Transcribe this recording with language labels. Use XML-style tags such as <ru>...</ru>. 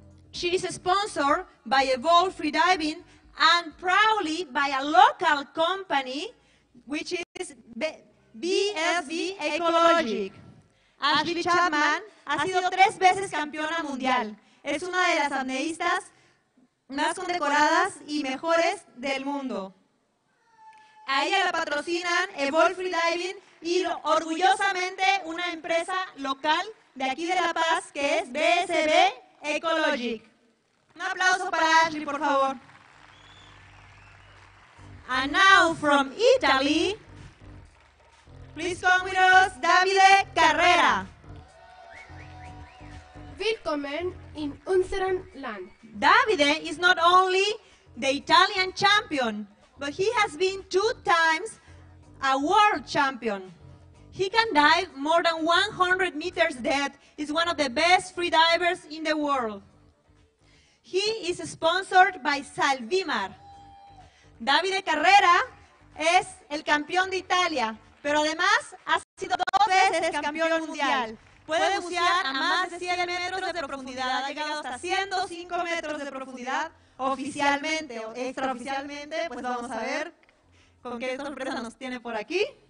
<en>She's sponsored by Evolve Free Diving and proudly by a local company, which is BSB Ecologic.</en> <es>Ashley Chapman ha sido 3 veces campeona mundial. Es una de las apneístas más condecoradas y mejores del mundo. A ella la patrocinan Evolve Free Diving y orgullosamente una empresa local de aquí de La Paz que es BSB Ecologic. Un aplauso para Ashley, por favor.</es> <en>And now from Italy, please come with us, Davide Carrera.</en> <de>Willkommen in unserem Land.</de> <en>Davide is not only the Italian champion, but he has been 2 times a world champion. He can dive more than 100 meters depth, is one of the best free divers in the world. He is sponsored by Salvimar.</en> <es>Davide Carrera es el campeón de Italia, pero además ha sido 2 veces campeón mundial. Puede bucear a más de 100 metros de profundidad, ha llegado hasta 105 metros de profundidad oficialmente o extraoficialmente, pues vamos a ver con qué sorpresa nos tiene por aquí.</es>